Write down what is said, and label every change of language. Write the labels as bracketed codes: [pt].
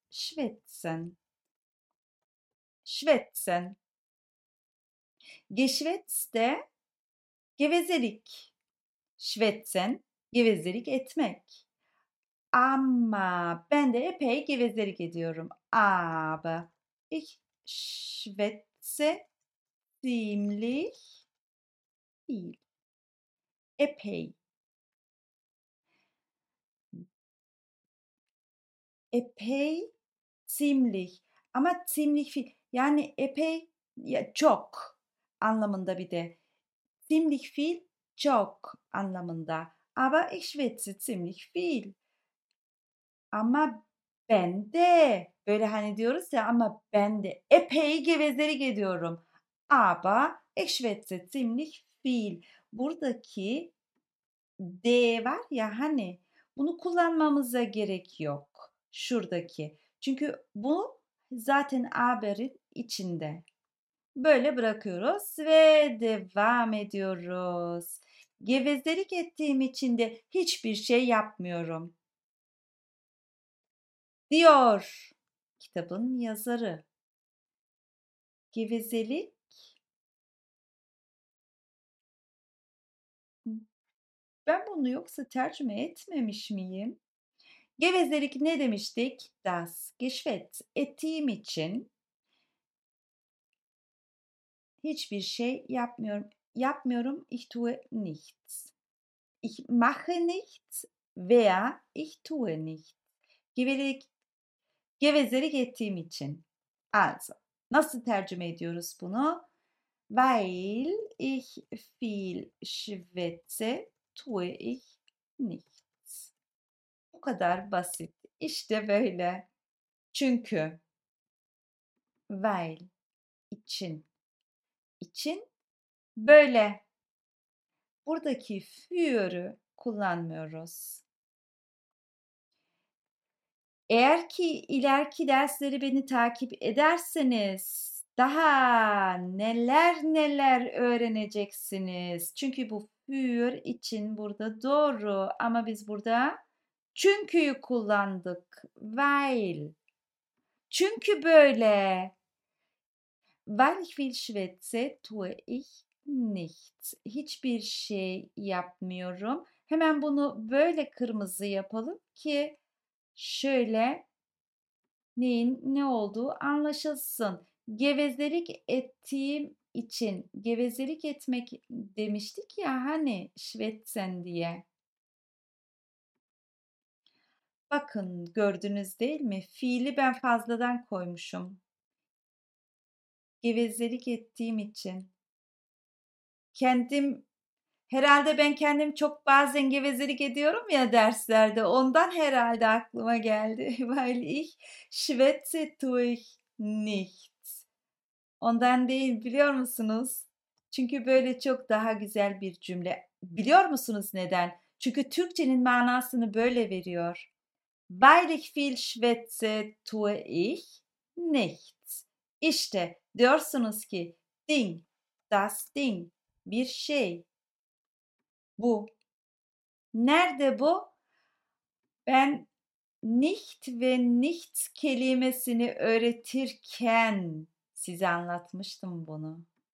[de] Schwätzen. Schwätzen. [tr] Geschwätz de gevezelik. Schwätzen, gevezelik etmek. Ama ben de epey gevezelik ediyorum. [de] Aber ich schwätze ziemlich viel. [tr] Epey. Epey, [de] ziemlich. [tr] Ama [de] ziemlich viel. [tr] Yani epey, ya, çok anlamında bir de. [de] Ziemlich viel, [tr] çok anlamında. [de] Aber ich schwätze ziemlich viel. [tr] Ama ben de, böyle hani diyoruz ya, ama ben de epey gevezelik ediyorum. [de] Aber ich schwätze ziemlich viel. [tr] Buradaki de var ya hani, bunu kullanmamıza gerek yok. Şuradaki. Çünkü bu zaten aber'in içinde. Böyle bırakıyoruz ve devam ediyoruz. Gevezelik ettiğim için de hiçbir şey yapmıyorum. Diyor kitabın yazarı. Gevezelik. Ben bunu yoksa tercüme etmemiş miyim? Gevezelik ne demiştik? [de] Das Geschwätz. [tr] Ettiğim için hiçbir şey yapmıyorum. Yapmıyorum. [de] Ich tue nichts. Ich mache nichts veya ich tue nichts. [tr] Gevezelik ettiğim için. Also, nasıl tercüme ediyoruz bunu? [de] Weil ich viel schwätze, tue ich nichts. [tr] Bu kadar basit. İşte böyle. Çünkü, weil, için böyle. Buradaki für'ü kullanmıyoruz. Eğer ki ileriki dersleri beni takip ederseniz daha neler neler öğreneceksiniz. Çünkü bu für için burada doğru ama biz burada Çünkü'yü kullandık. Weil. Çünkü böyle. [de] Weil ich viel schwätze, tue ich nichts. [tr] Hiçbir şey yapmıyorum. Hemen bunu böyle kırmızı yapalım ki şöyle neyin ne olduğu anlaşılsın. Gevezelik ettiğim için, gevezelik etmek demiştik ya hani schwätzen diye. Bakın gördünüz değil mi? Fiili ben fazladan koymuşum. Gevezelik ettiğim için. Kendim, herhalde ben kendim çok bazen gevezelik ediyorum ya derslerde. Ondan herhalde aklıma geldi. [de] Weil ich schwätze tue ich nicht. [tr] Ondan değil biliyor musunuz? Çünkü böyle çok daha güzel bir cümle. Biliyor musunuz neden? Çünkü Türkçenin manasını böyle veriyor. [de] Weil ich viel schwätze tue ich nicht. [tr] İşte diyorsunuz ki Ding, das Ding. Bir şey. Bu. Nerede bu? Ben nicht ve nichts kelimesini öğretirken size anlatmıştım bunu.